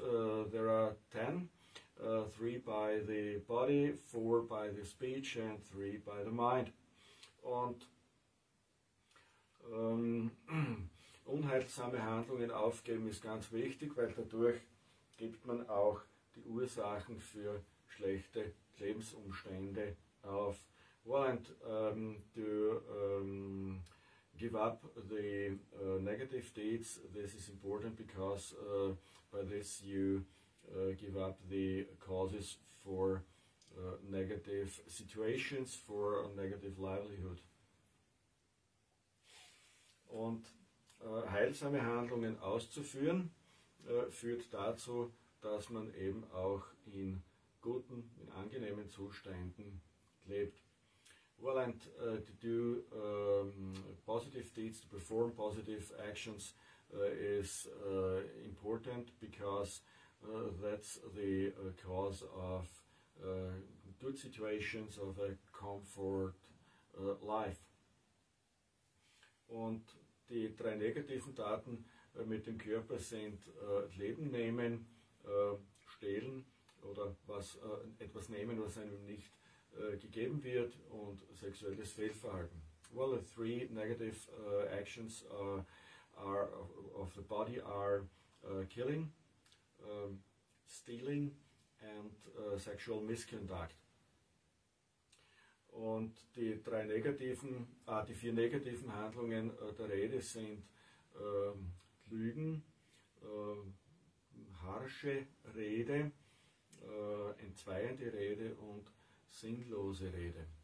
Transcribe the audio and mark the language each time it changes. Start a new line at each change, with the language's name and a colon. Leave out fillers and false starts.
English: There are 10. 3 by the body, 4 by the speech, and 3 by the mind.
German: Und unheilsame Handlungen aufgeben ist ganz wichtig, weil dadurch gibt man auch die Ursachen für schlechte Lebensumstände auf.
English: Well, and to give up the negative deeds, this is important because by this you give up the causes for negative situations, for a negative livelihood.
German: Und heilsame Handlungen auszuführen führt dazu, dass man eben auch in guten, in angenehmen Zuständen lebt.
English: Well, and to do positive deeds, to perform positive actions is important because that's the cause of good situations, of a comfort life.
German: Und die 3 negativen Taten mit dem Körper sind Leben nehmen, stehlen oder was etwas nehmen, was einem nicht gegeben wird, und sexuelles Fehlverhalten.
English: Well, the 3 negative actions are of the body are killing, stealing and sexual misconduct.
German: Und die 3 negativen, die 4 negativen Handlungen der Rede sind Lügen, harsche Rede, entzweiende Rede und sinnlose Rede.